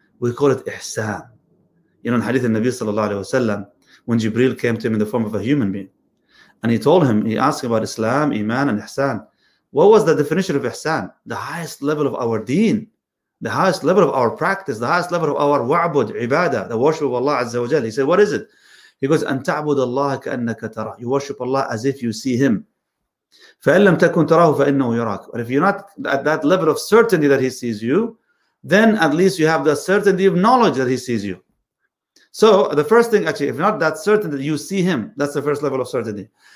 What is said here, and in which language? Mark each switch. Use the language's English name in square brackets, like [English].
[English] We call it ihsan. You know, in hadith of Nabi sallallahu alayhi wa sallam, when Jibreel came to him in the form of a human being, and he told him, he asked about Islam, Iman, and ihsan. What was the definition of ihsan? The highest level of our deen, the highest level of our practice, the highest level of our wa'bud, ibadah, the worship of Allah Azza wa Jal. He said, what is it? [Arabic] He goes, أن تعبد الله كأنك ترى. [English] You worship Allah as if you see him. [Arabic] فَإِنْ لَمْ تَكُنْ تَرَاهُ فَإِنَّهُ يُرَاكُ. [English] But if you're not at that level of certainty that he sees you, then at least you have the certainty of knowledge that he sees you. So the first thing, actually, if not that certain that you see him, that's the first level of certainty.